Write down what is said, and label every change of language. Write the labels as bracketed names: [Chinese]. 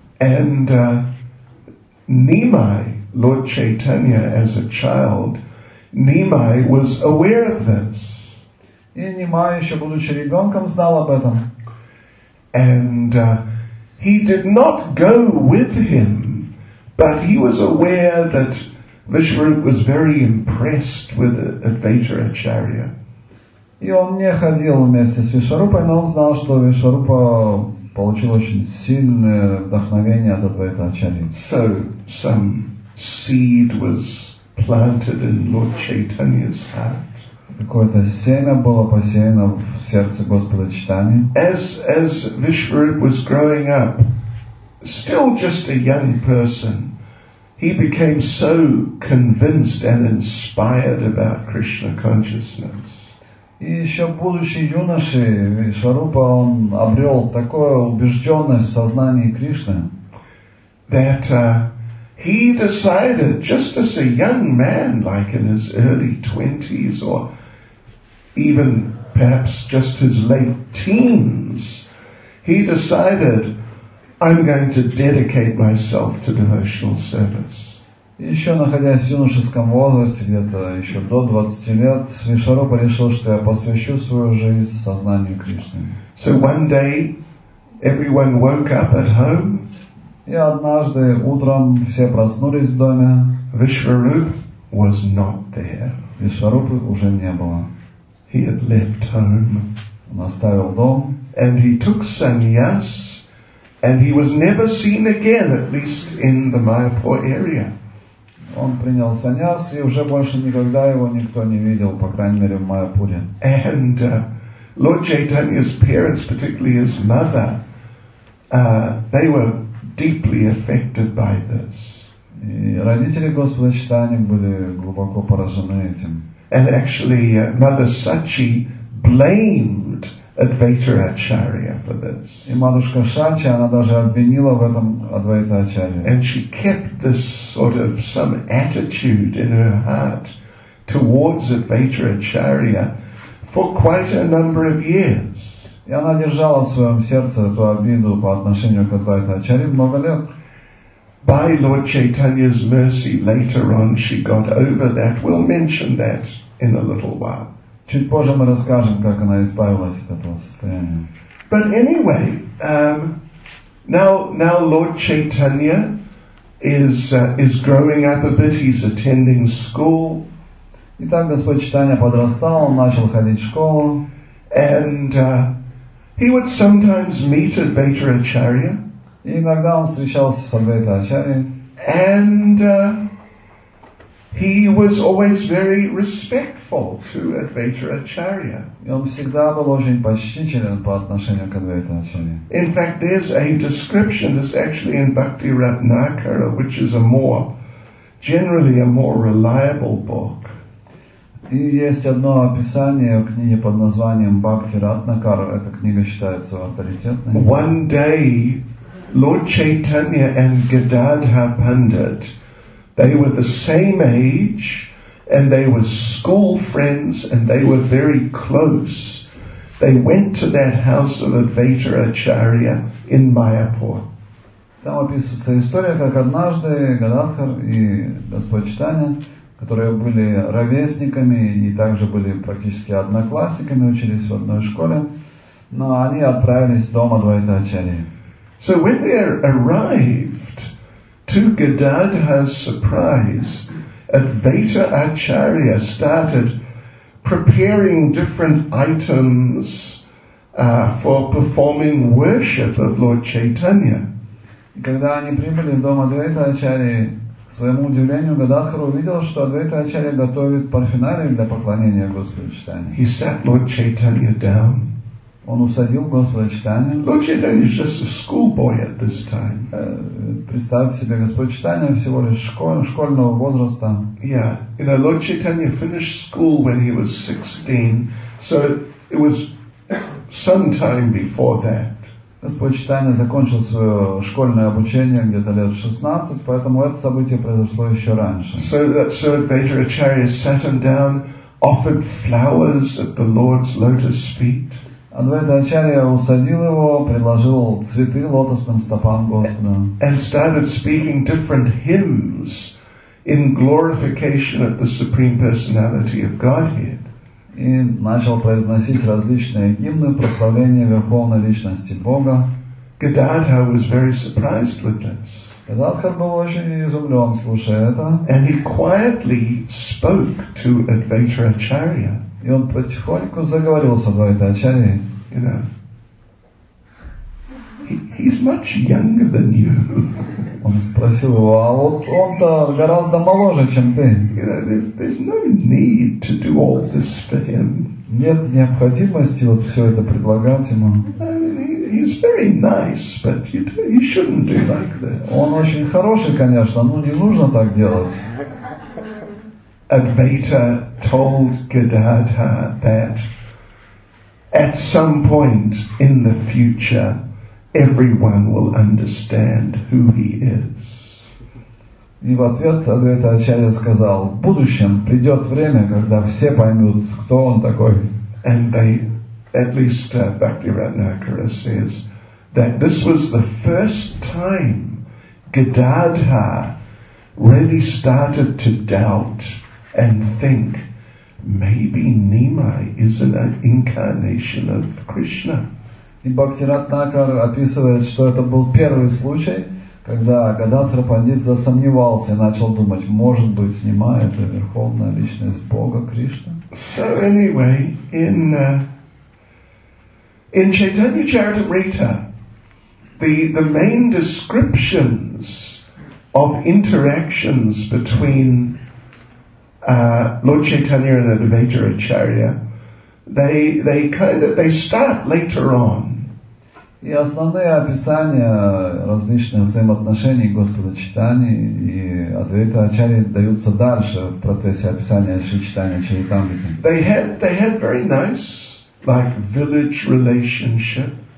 [English] And Nimai, Lord Chaitanya, as a child, Nimai was aware of this. [Russian] И Нимай, еще будучи ребенком, знал об этом. [English] And he did not go with him, but he was aware that Vishwarupa was very impressed with Advaita Acharya. [Russian] И он не ходил вместе с Вишварупой, но он знал, что Вишварупа получил очень сильное вдохновение от Адвайта Ачарьи. [English] So some seed was planted in Lord Chaitanya's heart. [Russian] Какое-то семя было посеяно в сердце Господа Чайтаньи. [English] As Vishwarupa was growing up, still just a young person, he became so convinced and inspired about Krishna consciousness. [Russian] И еще будучи юношей, Вишварупа, он обрел такую убежденность в сознании Кришны, [English] that he decided, just as a young man, like in his early 20s, or even perhaps just his late teens, he decided, I'm going to dedicate myself to devotional service. [Russian] Еще находясь в юношеском возрасте, где-то еще до 20 лет, Вишварупа решил, что я посвящу свою жизнь сознанию Кришны. [English] So one day, everyone woke up at home. [Russian] И однажды утром все проснулись в доме. [English] Vishwarupa was not there. [Russian] Вишварупы уже не было. [English] He had left home. [Russian] Он оставил дом. [English] And he took sannyas. And he was never seen again, at least in the Mayapur area. [Russian] Он принял саньяс, и уже больше никогда его никто не видел, по крайней мере, в Майяпуре. [English] And Lord Chaitanya's parents, particularly his mother, they were deeply affected by this. [Russian] И родители Господа Чайтаньи были глубоко поражены этим. [English] And actually, Mother Sachi blamed Advaita Acharya for this. [Russian] И матушка Шачи, она даже обвинила в этом Адвайта Ачарья. [English] And she kept this sort of some attitude in her heart towards Advaita Acharya for quite a number of years. [Russian] И она держала в своем сердце эту обиду по отношению к Адвайта Ачарье много лет. [English] By Lord Chaitanya's mercy, later on she got over that. We'll mention that in a little while. [Russian] Чуть позже мы расскажем, как она избавилась от этого состояния. [English] But anyway, now Lord Chaitanya is growing up a bit. He's attending school. [Russian] Итак, Господь Чайтанья подрастал, он начал ходить в школу. [English] And he would sometimes meet Advaita Acharya. [Russian] И иногда он встречался с Адвайта Ачарьей. [English] And he was always very respectful to Advaita Acharya. [Russian] Он всегда был очень почтителен по отношению к Адвайта Ачарье. [English] In fact, there's a description that's actually in Bhakti Ratnakara, which is a more reliable book. [Russian] И есть одно описание в книге под названием Бхакти Ратнакара. Эта книга считается авторитетной. [English] One day, Lord Chaitanya and Gadadhar Pandit, they were the same age, and they were school friends, and they were very close. They went to that house of Advaita Acharya in Mayapur. [Russian] Там описывается история, как однажды Гададхар и Господь Чайтанья, которые были ровесниками и также были практически одноклассниками, учились в одной школе, но они отправились в дом Адвайта Ачарьи. [English] So when they arrived, to Gadadhar's surprise, Advaita Acharya started preparing different items for performing worship of Lord Chaitanya. [Russian] Когда они прибыли в дом Адвайта Ачарьи, к своему удивлению, Гададхар увидел, что Адвайта Ачарья готовит парфинарий для поклонения Господу Чайтанье. [English] He sat Lord Chaitanya down. [Russian] Он усадил Господа Читания. [English] Lord Chaitanya is just a schoolboy at this time. [Russian] Представьте себе, Господь Читания всего лишь школьного возраста. [English] Yeah, you know, Lord Chaitanya finished school when he was 16, so it was some time before that. [Russian] Господь Читания закончил свое школьное обучение где-то лет 16, поэтому это событие произошло еще раньше. [English] So that Sir Advaita Acharya sat him down, offered flowers at the Lord's lotus feet. [Russian] Адвайта Ачарья усадил его, предложил цветы лотосным стопам Господа. [English] And started speaking different hymns in glorification of the Supreme Personality of Godhead. [Russian] И начал произносить различные гимны прославления Верховной Личности Бога. [English] Гададха was very surprised with this. [Russian] Гададхар был очень изумлен, слушая это. [English] And he quietly spoke to Advaita Acharya. [Russian] И он потихоньку заговорил с Адвайта Ачарьей. [English] You know, he's much younger than you. [Russian] Он спросил его, а вот он-то гораздо моложе, чем ты. [English] You know, there's no need to do all this for him. [Russian] Нет необходимости вот все это предлагать ему. [English] I mean, he's very nice, but you shouldn't do like this. [Russian] Он очень хороший, конечно, но не нужно так делать. [English] Advaita told Gadadha that at some point in the future everyone will understand who he is. [Russian] И в ответ Адвайта Ачарья сказал: в будущем придет время, когда все поймут, кто он такой. [English] And they, at least Bhaktivedanta says that this was the first time Gadadha really started to doubt and think maybe Nima isn't an incarnation of Krishna. [Russian] И Бхактираттакар описывает, что это был первый случай, когда Гададхара Пандит засомневался и начал думать, может быть, Нима — это Верховная Личность Бога, Кришна. [English] So anyway, in Chaitanya Charitamrita, the main descriptions of interactions between Lord Chaitanya and Advaita Acharya, they start later on. [Russian] И основные описания различных взаимоотношений Господа Читания и Адвайта Ачарьи даются дальше в процессе описания Шри Читания Чаритамриты. [English] They had very nice, like village relationship.